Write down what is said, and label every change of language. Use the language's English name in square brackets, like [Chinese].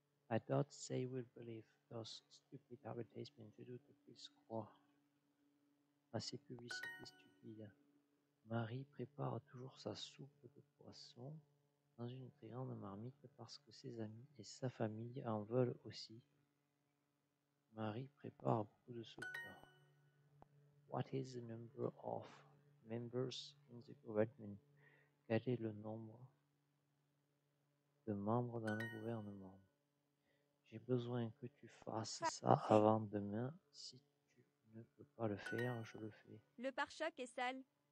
[English] I doubt they will believe those stupid advertisements. [French] Je doute qu'ils croient à ces publicités stupides. Marie prépare toujours sa soupe de poisson dans une très grande marmite parce que ses amis et sa famille en veulent aussi. Marie prépare beaucoup de soupe. [English] What is the number of members in the government? [French] Quel est le nombre de membres dans le gouvernement? J'ai besoin que tu fasses ça avant demain. Si tu ne peux pas le faire, je le fais. Le pare-choc est sale.